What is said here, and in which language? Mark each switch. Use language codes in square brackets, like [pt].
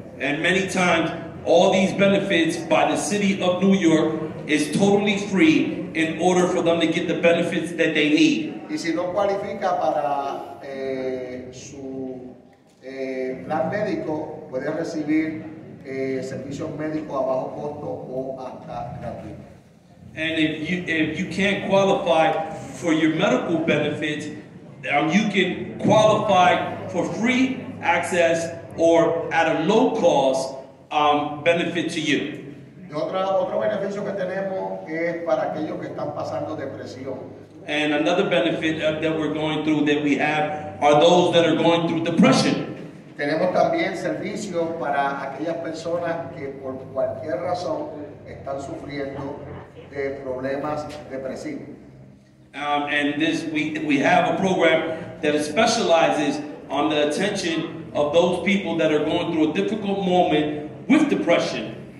[en] And many times all these benefits by the city of New York is totally free in order for them to get the benefits that they need. [es] Y si no cualifica para su plan médico, puede recibir servicios médicos a bajo costo o hasta gratuito. [en] And if you can't qualify for your medical benefits, you can qualify for free access or at a low cost benefit to you. [es] Otro beneficio que tenemos es para aquellos que están pasando depresión. [en] And another benefit that we're going through that we have are those that are going through depression. [es] Tenemos también servicios para aquellas personas que por cualquier razón están sufriendo de problemas depresivos. [en] And this we have a program that specializes on the attention of those people that are going through a difficult moment with depression.